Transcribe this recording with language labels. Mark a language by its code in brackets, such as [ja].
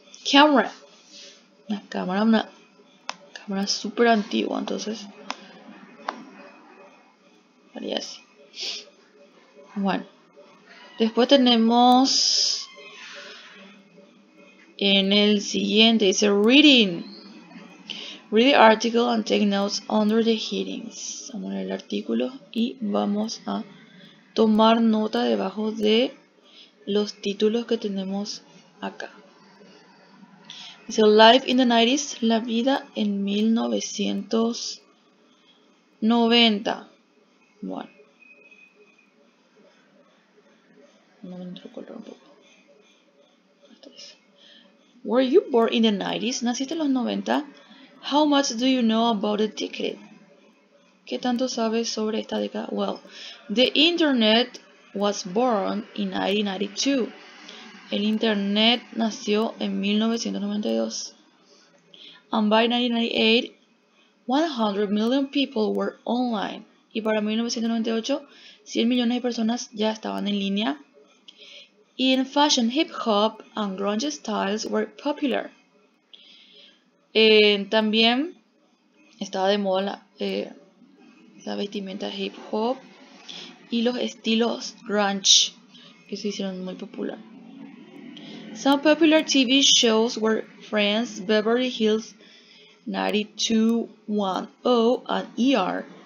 [es] Camera, una cámara súper antigua, entonces haría así. Bueno, después tenemos en el siguiente, dice reading. [en] Read the article and take notes under the headings. [es] Vamos a leer el artículo y vamos a tomar nota debajo de los títulos que tenemos acá. Dice [en] Life in the 90s, [es] la vida en 1990. Bueno. No me entró color un poco. [en] Were you born in the 90s? [es] ¿Naciste en los 90? [en] How much do you know about the ticket? [es] ¿Qué tanto sabes sobre esta década? [en] Well, the internet was born in 1992. [es] El internet nació en 1992. [en] And by 1998, 100 million people were online. [es] Y para 1998, 100 millones de personas ya estaban en línea. [en] In fashion, hip hop and grunge styles were popular. [es] También estaba de moda la vestimenta hip hop y los estilos grunge que se hicieron muy popular. [en] Some popular TV shows were Friends, Beverly Hills 90210 and ER.